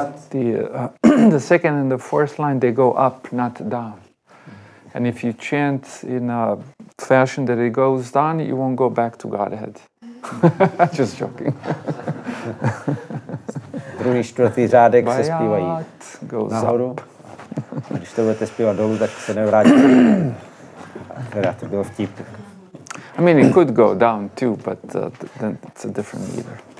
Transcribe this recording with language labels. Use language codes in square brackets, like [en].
[en] The the second and the fourth line, they go up, not down. And if you chant in a fashion that it goes down, you won't go back to Godhead. Just joking. [cs] Druhý, čtvrtý řádek se zpívají nahoru. A když to budete zpívat dolů, tak se nevrátí. Teda to bylo vtip. [en] I mean, it could go down too, but then it's a different meter.